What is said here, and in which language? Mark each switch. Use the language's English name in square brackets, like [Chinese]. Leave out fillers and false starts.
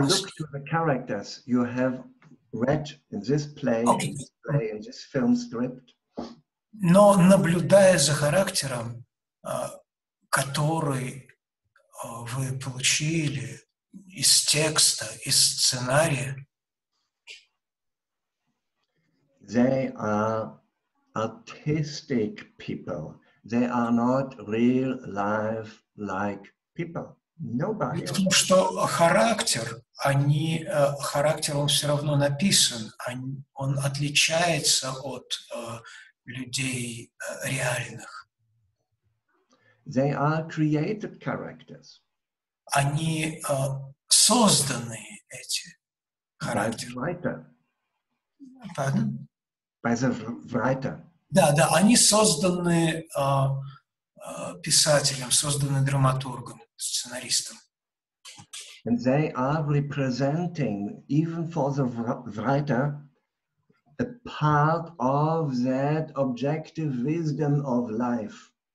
[English] look to the characters you have read in this play, okay. In this film script. [Russian] Но наблюдая за характером, который вы получили из текста, из сценария, [English] they are artistic people. They are not real life like people. Nobody. [Russian] Потому что характер, характер он все равно написан, он отличается от людей реальных. [English] They are created characters. [Russian] Они созданы, эти характеры. [English] By the writer. Pardon? By the writer. [Russian] Да, да, они созданы писателем, созданы драматургом, сценаристом. [English] And they are representing, even for the writer, a part of that objective wisdom of life.